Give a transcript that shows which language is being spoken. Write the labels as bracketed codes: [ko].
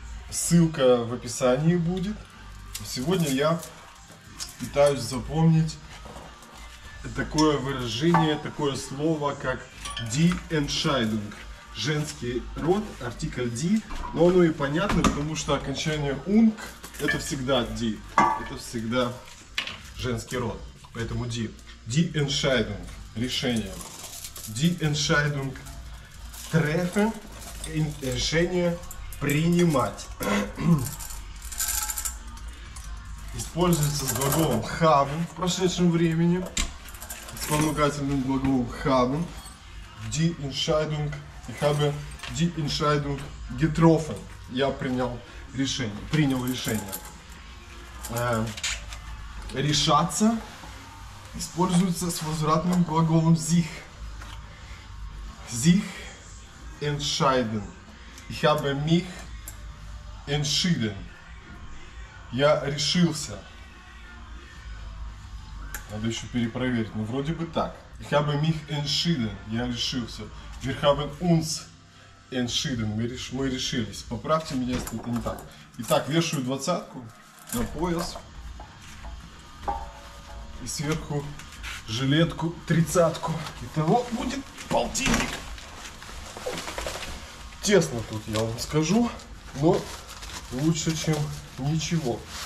[ru] Ссылка в описании будет. Сегодня я пытаюсь запомнить такое выражение, такое слово, как Die Entscheidung. Женский род, артикль Die. Но оно и понятно, потому что окончание Ung это всегда Die. Это всегда женский род. Поэтому Die. [de] Die Entscheidung. [ru] Решение. [de] Die Entscheidung treffen. [ru] Решение принимать. Используется с глаголом haben в прошедшем времени. Вспомогательным глаголом haben. [de] Die Entscheidung. Ich habe die Entscheidung getroffen. [ru] Я принял решение. Принял решение. Решаться используется с возвратным глаголом sich. [de] Sich entscheiden. Ich habe mich entschieden. [ru] Я решился. Надо еще перепроверить. Ну, вроде бы так. [de] Ich habe mich entschieden. [ru] Я решился. [de] Wir haben uns entschieden. [ru] Мы решились. Поправьте меня, если это не так. Итак, вешаю двадцатку на пояс. И сверху жилетку тридцатку. Итого будет полтинник. Тесно тут, я вам скажу. Но лучше, чем ничего.